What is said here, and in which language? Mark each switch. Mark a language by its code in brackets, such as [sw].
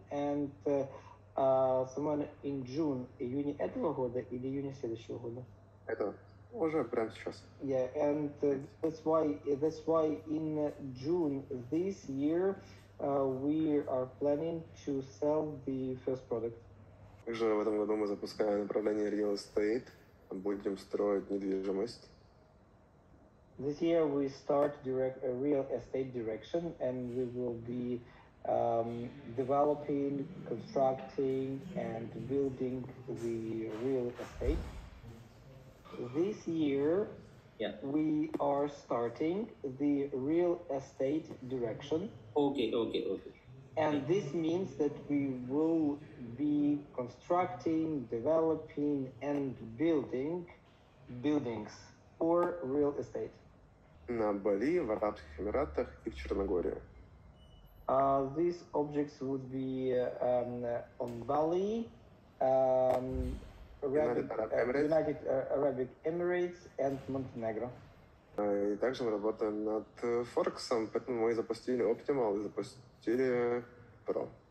[en] And someone in June, [ru] июня этого года или июня следующего года? Это. Уже прямо сейчас. [en] Yeah, and that's why in June this year we are planning to sell the first product. [ru] Также в этом году мы запускаем направление real estate. Будем строить недвижимость. [en] This year we start direct real estate direction, and we will be developing, constructing, and building the real estate. This year, we are starting the real estate direction. Okay. And this means that we will be constructing, developing, and building buildings for real estate. [ru] На Бали, в Арабских Эмиратах и в Черногории. [en] These objects would be on Bali, United Arab Emirates, and Montenegro. [ru] И также мы работаем над Форексом, поэтому мы запустили Optimal и запустили Pro.